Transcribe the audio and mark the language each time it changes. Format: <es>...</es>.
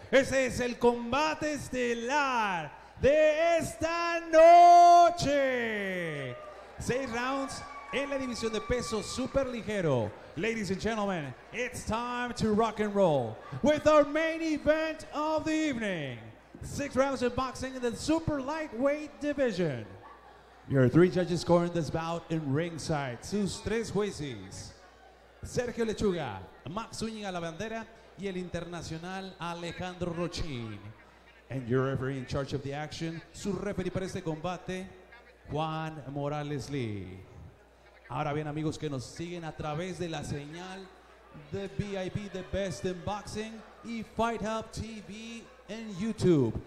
<es>Ese es el combate estelar de esta noche. Seis rounds en la división de peso super ligero.</es> <en>Ladies and gentlemen, it's time to rock and roll with our main event of the evening. Six rounds of boxing in the super lightweight division. Your three judges scoring this bout in ringside.</en> <es>Sus tres jueces, Sergio Lechuga, Max Zúñiga La Bandera, y el internacional Alejandro Rochin.</es> <en>And your referee in charge of the action,</en> <es>su referee para este combate,</es> <en>Juan Morales Lee.</en> <es>Ahora bien, amigos que nos siguen a través de la señal de VIP, The Best in Boxing, y Fight Hub TV en YouTube.</es>